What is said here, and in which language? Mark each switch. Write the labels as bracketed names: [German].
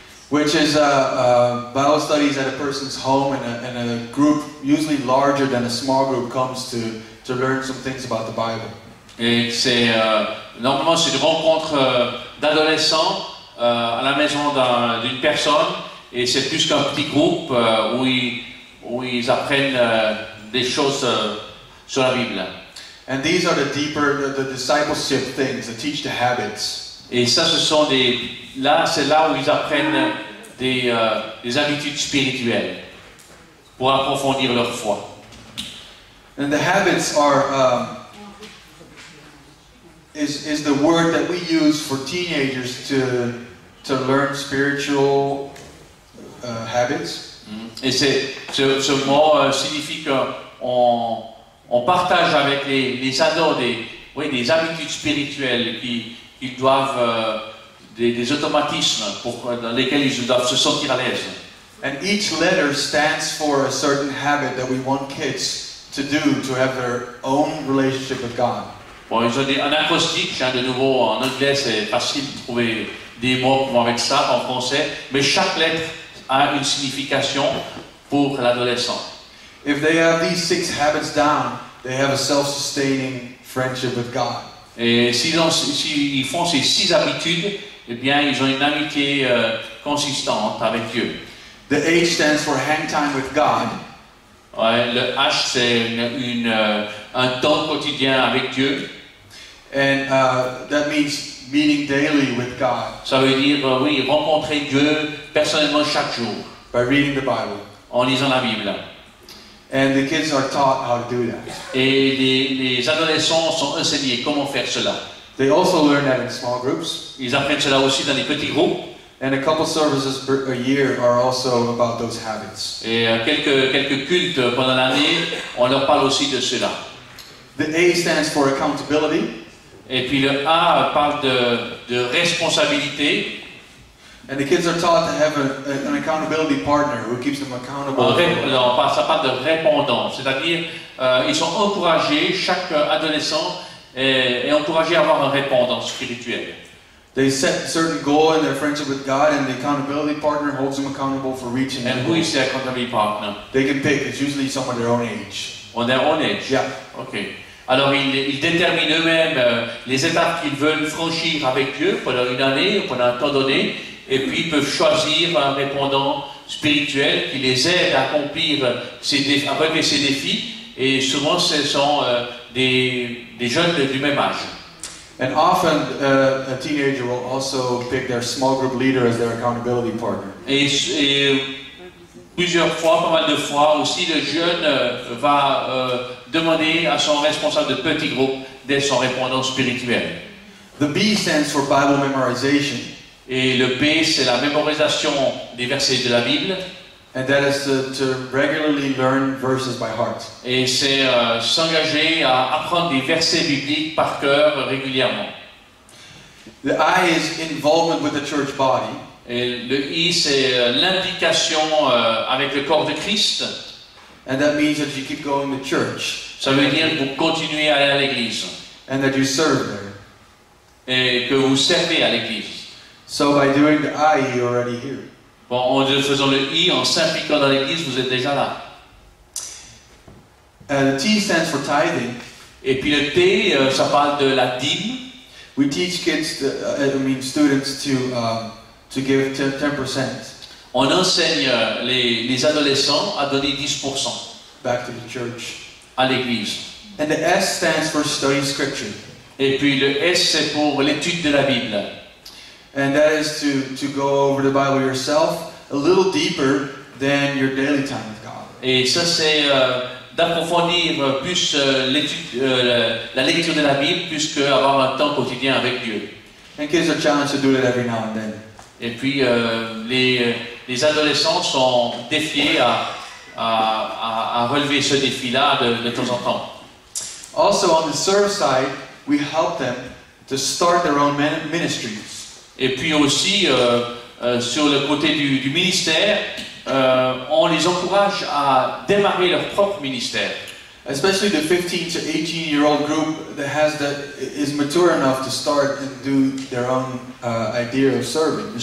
[English] Which is a Bible studies at a person's home, and a group, usually larger than a small group, comes to learn some things about the Bible. [French] Et c'est normalement c'est une rencontre d'adolescents à la maison d'une personne, et c'est plus qu'un petit groupe où ils apprennent des choses sur la Bible. [English] And these are the deeper, the discipleship things that teach the habits. [French] Et ça, c'est là où ils apprennent des habitudes spirituelles pour approfondir leur foi. [English] And the habits are is the word that we use for teenagers to learn spiritual habits. [French] Et c'est ce mot signifie que on partage avec les ados des habitudes spirituelles qu'ils doivent des automatismes pour dans lesquels ils doivent se sentir à l'aise. [English] And each letter stands for a certain habit that we want kids to do to have their own relationship with God. [French] Bon, ils ont un acrostique, hein, de nouveau en anglais, c'est facile de trouver des mots pour avec ça en français, mais chaque lettre a une signification pour l'adolescent. [English] If they have these six habits down, they have a self-sustaining friendship with God. [French] Et s'ils font ces six habitudes, eh bien, ils ont une amitié consistante avec Dieu. [English] The H stands for hang time with God. [French] Ouais, le H c'est un temps quotidien avec Dieu. [English] And that means meeting daily with God. [French] Ça veut dire rencontrer Dieu personnellement chaque jour. [English] By reading the Bible. [French] En lisant la Bible. [English] And the kids are taught how to do that. [French] Et les adolescents sont enseignés comment faire cela. [English] They also learn that in small groups. [French] Ils apprennent cela aussi dans les petits groupes. [English] And a couple services per a year are also about those habits. [French] Et quelques cultes pendant l'année, on leur parle aussi de cela. [English] The A stands for accountability. [French] Et puis le A parle de responsabilité. [English] And the kids are taught to have an accountability partner who keeps them accountable. [French] Ça parle de répondant, c'est-à-dire ils sont encouragés, chaque adolescent est encouragé à avoir un répondant spirituel. [English] They set a certain goal in their friendship with God, and the accountability partner holds them accountable for reaching and And who is the accountability partner? They can pick. It's usually someone their own age. On their own age? Yeah. Okay. [French] Alors, ils déterminent eux-mêmes les étapes qu'ils veulent franchir avec Dieu pendant une année ou pendant un temps donné, et puis ils peuvent choisir un répondant spirituel qui les aide à accomplir ces défis, et souvent ce sont des jeunes du même âge. [English] And often a teenager will also pick their small group leader as their accountability partner. [French] Et plusieurs fois, pas mal de fois aussi, le jeune va demander à son responsable de petit groupe d'être son répondant spirituel. [English] The B stands for Bible memorization. [French] Et le B, c'est la mémorisation des versets de la Bible. [English] And that is to regularly learn verses by heart. [French] Et c'est s'engager à apprendre des versets bibliques par cœur régulièrement. [English] The I is involvement with the church body. [French] Et le I c'est l'implication avec le corps de Christ. [English] And that means that you keep going to church. [French] Ça veut dire que vous continuez à aller à l'église. [English] And that you serve there. [French] Et que vous servez à l'église. [English] So by doing the I, you're already here. [French] Bon, en faisant le I, en s'impliquant dans l'église, vous êtes déjà là. [English] T stands for tithing. [French] Et puis le T, ça parle de la dîme. [English] We teach kids, students to give 10%. [French] On enseigne les adolescents à donner 10%. [English] Back to the church. [French] À l'église. [English] And the S stands for study scripture. [French] Et puis le S, c'est pour l'étude de la Bible. [English] And that is to go over the Bible yourself a little deeper than your daily time with God. [French] Et ça c'est d'approfondir plus la lecture de la Bible plus que avoir un temps quotidien avec Dieu. [English] And kids are challenged to do it every now and then. [French] Et puis les adolescents sont défiés à relever ce défi là de temps en temps. [English] Also on the serve side, we help them to start their own ministries. [French] Et puis aussi, sur le côté du ministère, on les encourage à démarrer leur propre ministère. [English] Especially the 15 to 18 year old group that has that is mature enough to start and do their own idea of serving.